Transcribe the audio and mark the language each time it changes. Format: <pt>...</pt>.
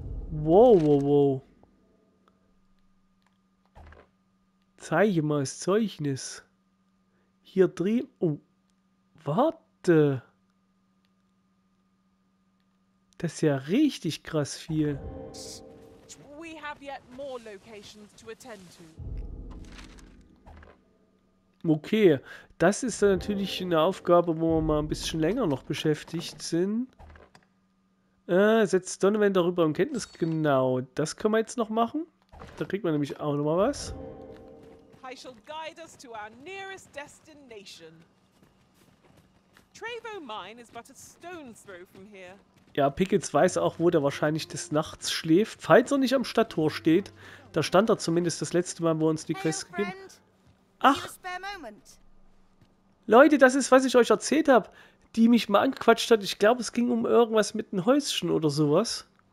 <de>Wow, wow, wow. Zeige mal das Zeugnis. Hier drin. Oh. Warte. Das ist ja richtig krass viel.</de> <en>We have yet more locations to attend to.</en> <de>Okay, das ist dann natürlich eine Aufgabe, wo wir mal ein bisschen länger noch beschäftigt sind. Setzt Donovan darüber in Kenntnis. Genau, das können wir jetzt noch machen. Da kriegt man nämlich auch nochmal was.</de> <en>I shall guide us to our nearest destination. Trevo Mine is but a stone's throw from here.</en> <de>Ja, Pickles weiß auch, wo der wahrscheinlich des Nachts schläft. Falls er nicht am Stadttor steht, da stand er zumindest das letzte Mal, wo er uns die Quest gegeben hat. Ach, Leute, das ist, was ich euch erzählt habe, die mich mal angequatscht hat. Ich glaube, es ging um irgendwas mit einem Häuschen oder sowas.</de>